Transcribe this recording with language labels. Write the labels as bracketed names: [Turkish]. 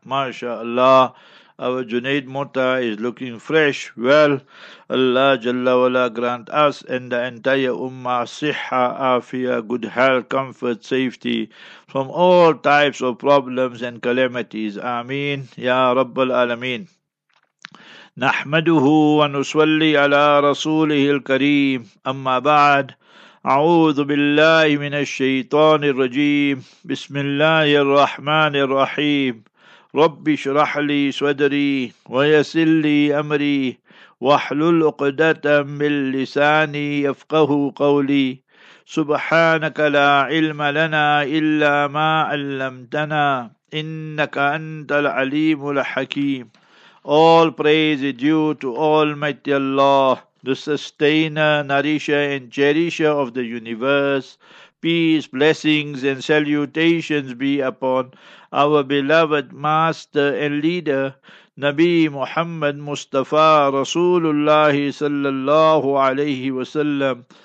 [English] MashaAllah, our Junaid Mota is looking fresh, well. Allah Jalla Wala grant us and the entire Ummah siha, afia, good health, comfort, safety from all types of problems and calamities. Ameen. Ya Rabbal Alameen. [Arabic] نحمده ونصلي على رسوله الكريم أما بعد أعوذ بالله من الشيطان الرجيم بسم الله الرحمن الرحيم رب اشرح لي صدري ويسر لي أمري واحلل عقدة من لساني يفقه قولي سبحانك لا علم لنا إلا ما علمتنا إنك أنت العليم الحكيم. [English] All praise is due to Almighty Allah, the sustainer, nourisher, and cherisher of the universe. Peace, blessings, and salutations be upon our beloved master and leader, Nabi Muhammad Mustafa Rasulullah sallallahu alayhi wasallam.